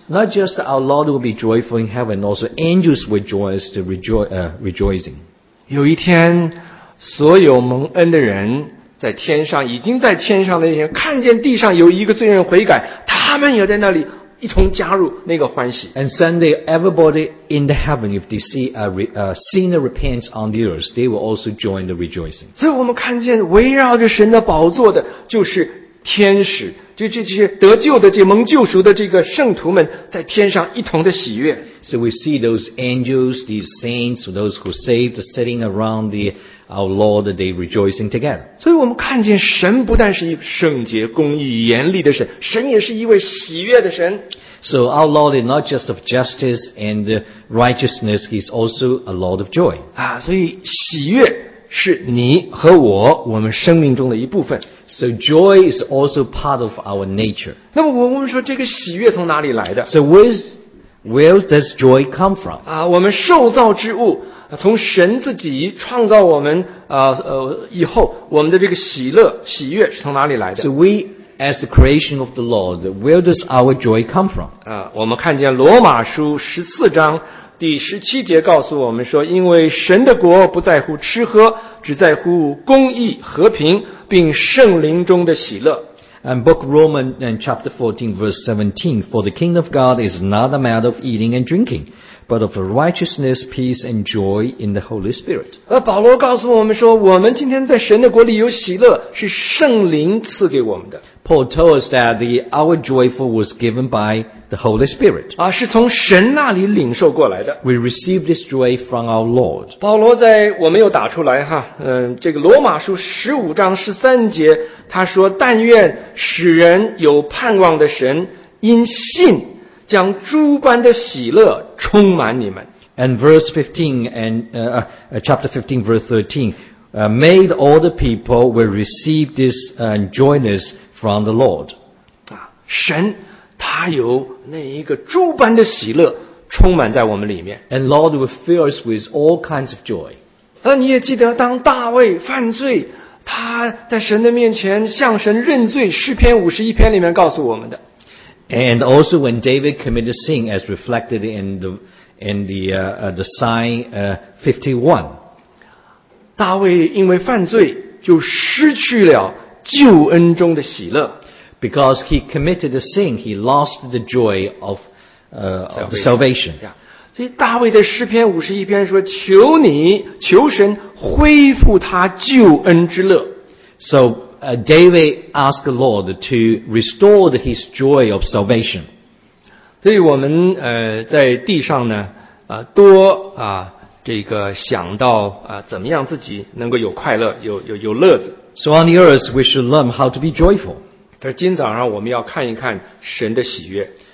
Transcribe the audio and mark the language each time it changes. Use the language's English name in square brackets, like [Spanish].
[English] Not just our Lord will be joyful in heaven, also angels will rejoice, rejoicing. [Chinese] 有一天，所有蒙恩的人在天上，已经在天上的人看见地上有一个罪人悔改，他们也在那里一同加入那个欢喜。 [English] And someday, everybody in the heaven, if they see a sinner repents on the earth, they will also join the rejoicing. [Chinese] 所以我们看见围绕着神的宝座的就是天使。这些得救的，这蒙救赎的这个圣徒们，在天上一同的喜悦。 [English] So we see those angels, these saints, those who saved, sitting around our Lord, they rejoicing together. [Chinese] 所以我们看见神不但是一圣洁、公义、严厉的神，神也是一位喜悦的神。 [English] So our Lord is not just of justice and righteousness; He's also a Lord of joy. [Chinese] 啊，所以喜悦是你和我，我们生命中的一部分。 [English] So joy is also part of our nature. [Chinese] 那么我们说这个喜悦从哪里来的？ [English] So where does joy come from? [Chinese] 啊，我们受造之物，从神自己创造我们以后，我们的这个喜乐喜悦是从哪里来的？ [English] So we as the creation of the Lord, where does our joy come from? [Chinese] 啊，我们看见罗马书十四章第十七节告诉我们说，因为神的国不在乎吃喝，只在乎公义、和平，并圣灵中的喜乐。 [English] And book Roman and chapter 14 verse 17, for the kingdom of God is not a matter of eating and drinking, but of righteousness, peace and joy in the Holy Spirit. [Chinese] 而保罗告诉我们说，我们今天在神的国里有喜乐，是圣灵赐给我们的。 [English] Paul told us that our joyful was given by the Holy Spirit. [Chinese] 啊，是从神那里领受过来的。 [English] We received this joy from our Lord. [Chinese] 保罗在我们又打出来哈，这个罗马书十五章十三节，他说：“但愿使人有盼望的神，因信将诸般的喜乐充满你们。” [English] And verse 15 and chapter 15 verse 13, made all the people will receive this joyness. From the Lord. [Chinese] 啊，神他有那一个诸般的喜乐充满在我们里面。 [English] And Lord will fill us with all kinds of joy. [Chinese] 那你也记得当大卫犯罪，他在神的面前向神认罪，诗篇五十一篇里面告诉我们的。 [English] And also when David committed sin as reflected in the Psalm 51. [Chinese] 大卫因为犯罪就失去了救恩中的喜乐。 [English] Because he committed a sin, he lost the joy of the salvation. [Chinese] 所以大卫的诗篇五十一篇说，求你，求神恢复他救恩之乐。 [English] So, David asked the Lord to restore his joy of salvation. [Chinese] 所以我们在地上呢多这个想到怎么样自己能够有快乐，有乐子。 [English] So on the earth, we should learn how to be joyful. [Chinese] 但是今早上我们要看一看神的喜悦。